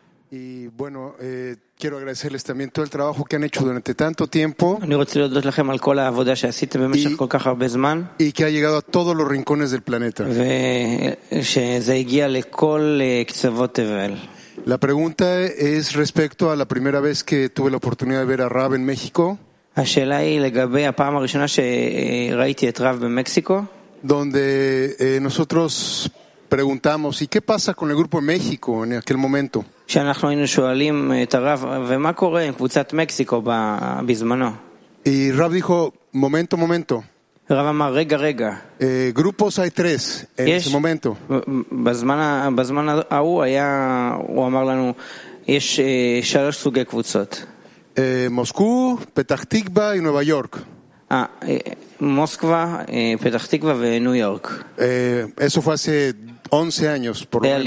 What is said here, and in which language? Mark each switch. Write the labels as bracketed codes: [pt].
[es] Y bueno, quiero agradecerles también todo el trabajo que han hecho durante tanto tiempo y que ha llegado a todos los rincones del planeta. La pregunta es respecto a la primera vez que tuve la oportunidad de ver a Rab en México. [he] השאלה היא לגבי הפעם הראשונה שראיתי את רב במקסיקו. [es] Donde nosotros preguntamos, ¿y qué pasa con el grupo de México en aquel momento? [he] שאנחנו היינו שואלים את הרב, ומה קורה עם קבוצת מקסיקו בזמנו? [es] Y Rab dijo, momento, momento. [he] רב אמר, רגע, רגע. [es] Grupos hay tres en ese momento. [he] בזמן ההוא היה, הוא אמר לנו, יש שלוש סוגי קבוצות. [es] Moscú, Petah Tikva y Nueva York. Moscú, Petah Tikva y New York. Eso fue hace 11 años, por lo menos.